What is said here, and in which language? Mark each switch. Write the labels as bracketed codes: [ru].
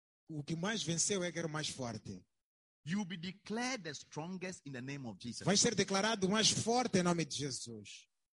[pt] O que mais venceu é que era o mais forte. [en] You will be declared the strongest in the name of Jesus. [pt] Vai ser declarado o mais forte em nome de Jesus.